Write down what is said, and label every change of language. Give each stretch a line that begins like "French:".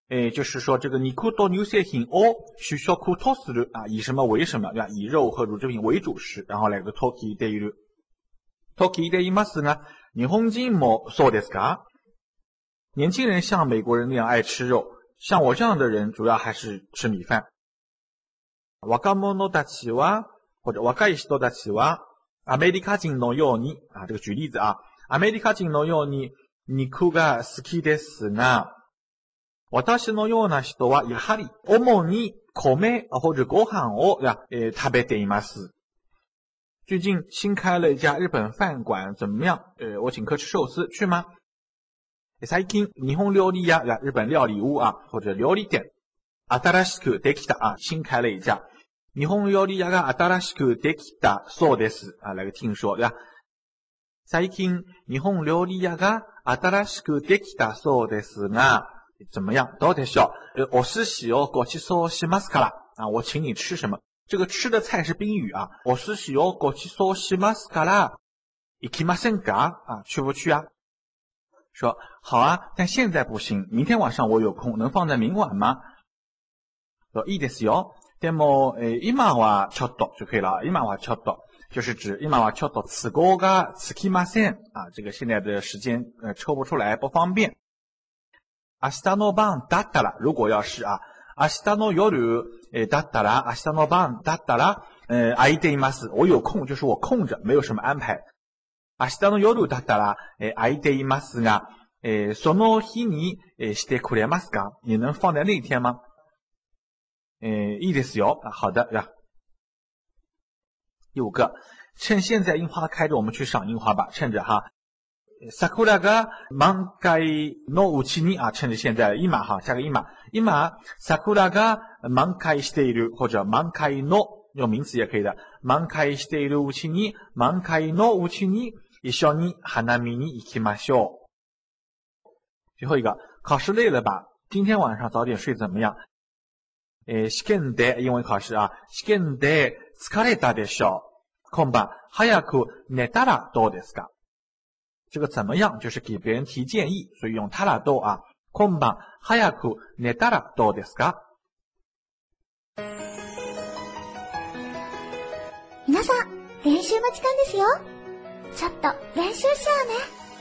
Chinese: 就是说这个肉と乳製品を主食とする啊，以什么为什么，对吧？以肉和乳制品为主食，然后来个
Japanese: と聞いている。と聞いていますが、日本人もそうですか？
Chinese: 年轻人像美国人那样爱吃肉，像我这样的人主要还是吃米饭。
Japanese: 若者たちは或者若い人たちはアメリカ人のように啊，这个举例子啊，アメリカ人のように肉が好きですが，私のような人はやはり主に米或者ご飯を食べています。
Chinese: 最近新开了一家日本饭馆，怎么样？我请客吃寿司，去吗？
Japanese: 最近日本料理屋啊，日本料理屋啊，或者料理店。新しくできた啊，
Chinese: 新开了一家。
Japanese: 日本料理屋が新しくできたそうです啊，来个听说呀。最近日本料理屋が新しくできたそうですが，
Chinese: 怎么样？
Japanese: どうでしょう？お寿司をごちそうしますから啊，
Chinese: 我请你吃什么？这个吃的菜是宾语啊。
Japanese: お寿司をごちそうしますから，行きませんか？
Chinese: 啊，去不去啊？说好啊，但现在不行。明天晚上我有空，能放在明晚吗？说
Japanese: いいですよ。でも、今はちょっと就可以了。今はちょっと就是指今はちょっと都合がつきません啊，
Chinese: 这个现在的时间抽不出来，不方便。
Japanese: 明日の晩だったら，如果要是啊，明日の夜だったら，明日の晩だったら，空いています。
Chinese: 我有空，就是我空着，没有什么安排。
Japanese: 明日の夜だったら空いていますが，その日にしてくれますか？
Chinese: 你能放在那一天吗？
Japanese: いいですよ。
Chinese: 好的呀。第五个，趁现在樱花开着，我们去赏樱花吧。趁着哈，桜が満開のうちに啊，趁着现在今哈，下个今桜が満開している或者満開の用名词也可以的。
Japanese: 満開しているうちに満開のうちに一緒に花見に行きましょう。
Chinese: 最后一个，考试累了吧？今天晚上早点睡怎么样？
Japanese: 試験で、英文考試啊，試験で疲れたでしょう。今晩早く寝たらどうですか？
Chinese: 这个怎么样？就是给别人提建议，所以用たらどう啊。
Japanese: 今晩早く寝たらどうですか？皆さん、練習の時間ですよ。ちょっと練習しようね。